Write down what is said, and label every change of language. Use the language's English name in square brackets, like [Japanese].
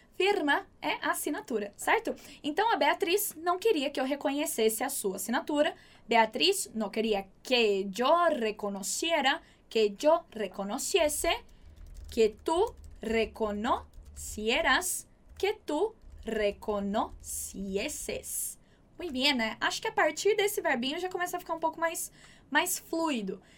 [Portuguese] Firma é assinatura, certo? Então, a Beatriz não queria que eu reconhecesse a sua assinatura. [Spanish] Beatriz no quería que yo reconociera, que yo reconociese, que tú reconocieras, que tú reconocieses. Muy bien, né? [Portuguese] Acho que a partir desse verbinho já começa a ficar um pouco mais fluido.